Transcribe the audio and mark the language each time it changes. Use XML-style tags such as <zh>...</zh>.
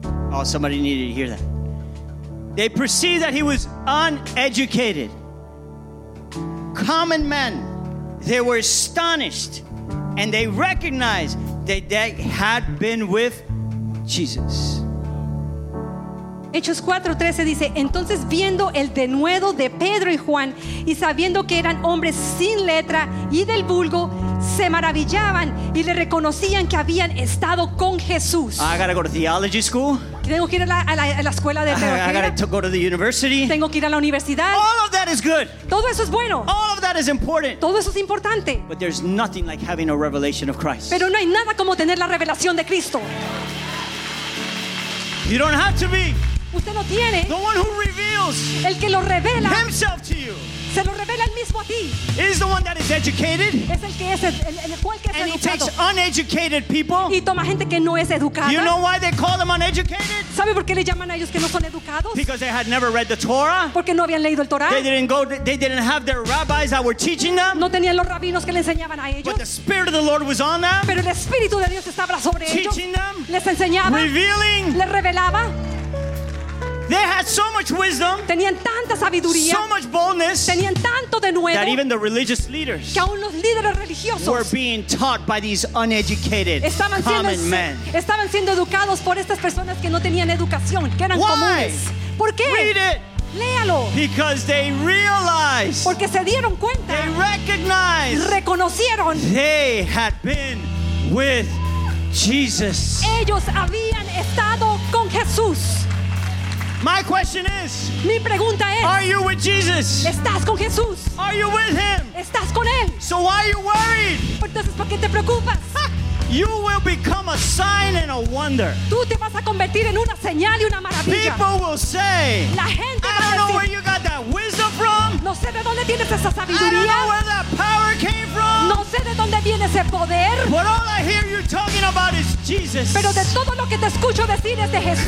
<en>Oh, somebody needed to hear that. They perceived that he was uneducated. Common men, they were astonished, and they recognized that they had been with Jesus.</en> <es>Hechos 4:13 dice, entonces viendo el denuedo de Pedro y Juan y sabiendo que eran hombres sin letra y del vulgo, se maravillaban y le reconocían que habían estado con Jesús.</es> <en>I gotta go to theology school.</en> <es>Tengo que ir a la escuela de teología.</es> <en>I gotta go to the university.</en> <es>Tengo que ir a la universidad.</es> <en>All of that is good.</en> <es>Todo eso es bueno.</es> <en>All of that is important.</en> <es>Todo eso es importante.</es> <en>But there's nothing like having a revelation of Christ.</en> <es>Pero no hay nada como tener la revelación de Cristo.</es> <en>You don't have to be.</en> <es>Usted lo tiene.</es> <en>The one who reveals</en> <es>el que lo revela</es> <en>himself to you.</en> <es>Se lo revela el mismo a ti.</es> <en>Is the one that is educated.</en> <es>Es el que es el que es</es> <en>and</en> <es>educado.</es> <en>He takes uneducated people.</en> <es>Y toma gente que no es educada.</es> <en>You know why they call them uneducated?</en> <es>¿Sabe por qué le llaman a ellos que no son educados?</es> <en>Because they had never read the Torah.</en> <es>Porque no habían leído el Torah.</es> <en>They didn't have their rabbis that were teaching them.</en> <es>No tenían los rabinos que le enseñaban a ellos.</es> <en>But the Spirit of the Lord was on them.</en> <es>Pero el Espíritu de Dios estaba sobre</es> <en>teaching</en> <es>ellos.</es> <en>Teaching them.</en> <es>Les enseñaba.</es> <en>Revealing.</en> <es>Les revelaba.</es> <en>They had so much wisdom.</en> <es>Tenían tanta sabiduría.</es> <en>So much boldness.</en> <es>Tenían tanto de nuevo.</es> <en>That even the religious leaders.</en> <es>Que aún los líderes religiosos.</es> <en>Were being taught by these uneducated common men.</en> <es>Estaban siendo educados por estas personas que no tenían educación, que eran comunes. ¿Por qué?</es> <en>Read it.</en> <es>Léalo.</es> <en>Because they realized.</en> <es>Porque se dieron cuenta.</es> <en>They recognized.</en> <es>Reconocieron.</es> <en>They had been with Jesus.</en> <es>Ellos habían estado con Jesús.</es> <en>My question is,</en> <es>mi pregunta es,</es> <en>are you with Jesus?</en> <es>¿Estás con Jesús?</es> <en>Are you with him?</en> <es>¿Estás con él?</es> <en>So why are you worried?</en> <es>Entonces, ¿por qué te preocupas?</es> <en>You will become a sign and a wonder.</en> <es>Tú te vas a convertir en una señal y una maravilla.</es> <en>People will say,</en> <es>la gente va</es> <en>I don't</en> <es>a decir,</es> <en>know where you got that wisdom from.</en> <es>No sé de dónde tienes esa sabiduría.</es> <en>I don't know where that power came from.</en> <es>No sé de dónde viene ese poder.</es> <en>But all I hear you talking about is Jesus.</en> <es>Pero de todo lo que te escucho decir es de Jesús.</es>